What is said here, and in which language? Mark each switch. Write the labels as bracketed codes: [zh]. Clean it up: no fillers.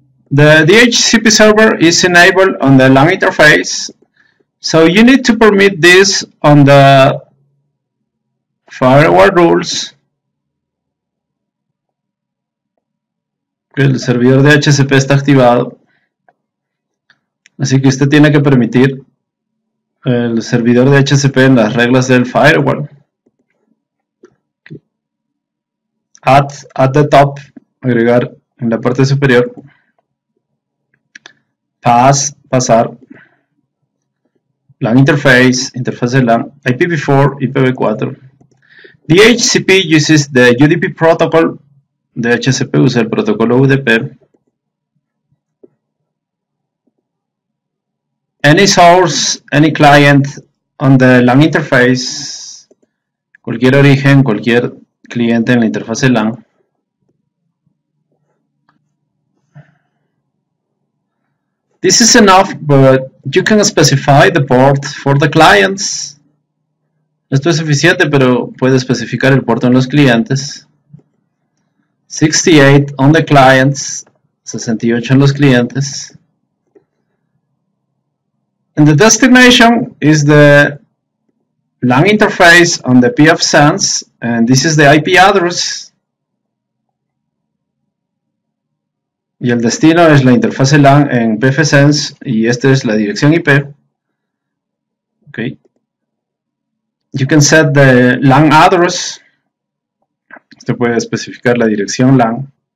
[en] The DHCP server is enabled on the LAN interface, so you need to permit this on the firewall rules. [es] El servidor de DHCP está activado, así que usted tiene que permitir el servidor de DHCP en las reglas del firewall. [en] At the top, [es] agregar en la parte superior, pasar, LAN interface, interfaz de LAN, IPv4, IPv4. [en] DHCP uses the UDP protocol. [es] DHCP usa el protocolo UDP. [en] Any source, any client on the LAN interface. [es] Cualquier origen, cualquier cliente en la interfaz de LAN. [en] This is enough, but you can specify the port for the clients. [es] Esto es suficiente, pero puede especificar el puerto en los clientes. [en] 68 on the clients, [es] 68 en los clientes. [en] And the destination is the LAN interface on the pfSense, and this is the IP address. [es] Y el destino es la interfaz LAN en pfSense, y esta es la dirección IP. [en] Okay. You can set the LAN address. [es] Usted puede especificar la dirección LAN.